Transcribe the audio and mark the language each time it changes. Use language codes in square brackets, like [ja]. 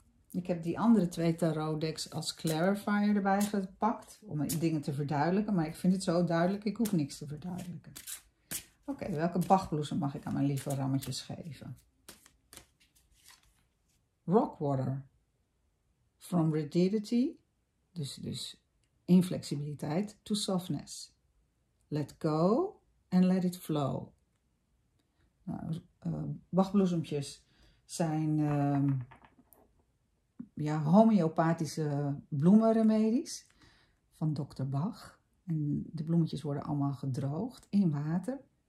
[nl] Ik heb die andere twee tarot decks als clarifier erbij gepakt. Om dingen te verduidelijken. Maar ik vind het zo duidelijk. Ik hoef niks te verduidelijken. Oké, welke bachbloesem mag ik aan mijn lieve rammetjes geven? Rockwater. [en] From rigidity, [nl] dus inflexibiliteit, [en] to softness. Let go and let it flow. [nl] Nou, bachbloesempjes zijn homeopathische bloemenremedies van dokter Bach. En de bloemetjes worden allemaal gedroogd in water.